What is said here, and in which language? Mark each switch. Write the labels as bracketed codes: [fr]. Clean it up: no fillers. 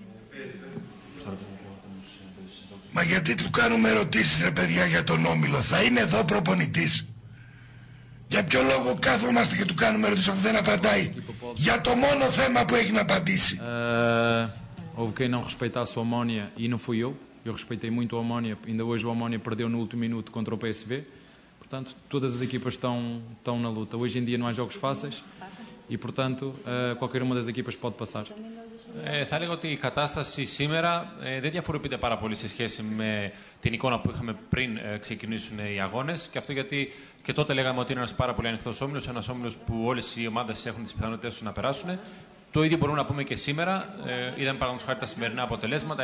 [el] Παίζει. Θα ρωτήσω και εγώ αυτού του συζόξου. Μα γιατί του κάνουμε ερωτήσεις, ρε παιδιά, για τον Όμιλο? Θα είναι εδώ προπονητής? Για ποιο λόγο κάθομαστε και του κάνουμε ερωτήσεις αφού δεν απαντάει? Για το μόνο θέμα που έχει να απαντήσει. [pt] Houve quem não respeitasse o Omonia e não fui eu. Eu respeitei muito o Omonia. Ainda hoje o Omonia perdeu no último minuto contra o PSV. Portanto, todas as equipas estão na luta. Hoje em dia não há jogos fáceis e, portanto, qualquer uma das equipas pode passar. [el] Θα λέγω ότι η κατάσταση σήμερα δεν διαφοροποιείται πάρα πολύ σε σχέση με την εικόνα που είχαμε πριν ξεκινήσουν οι αγώνες. Και αυτό γιατί και τότε λέγαμε ότι είναι ένας πάρα πολύ ανοιχτός όμιλος, ένας όμιλος που όλες οι ομάδες έχουν τις πιθανότητες να περάσουν. Το ίδιο μπορούμε να πούμε και σήμερα. Είδαμε παραδείγματος χάρη τα σημερινά αποτελέσματα.